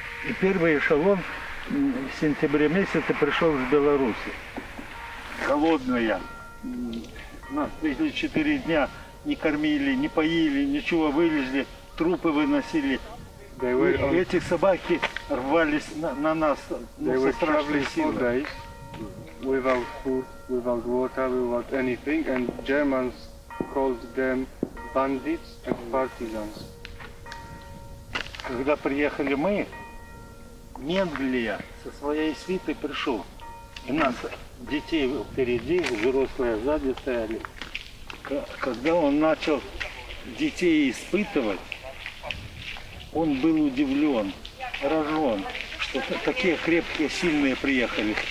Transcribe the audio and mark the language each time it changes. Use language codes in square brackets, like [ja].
[ru] И первый эшелон в сентябре месяце пришел в Беларуси. Холодная. Нас везли 4 дня, не кормили, не поили, ничего, вылезли, трупы выносили. И эти собаки рвались на нас, ну, со страшной силой. [en] Without food, without water, without anything, and Germans called them bandits and partisans. [ru] Когда приехали мы, Менглия со своей свитой пришел. И нас детей впереди, взрослые сзади стояли. Когда он начал детей испытывать, он был удивлен, поражен, что такие крепкие, сильные приехали.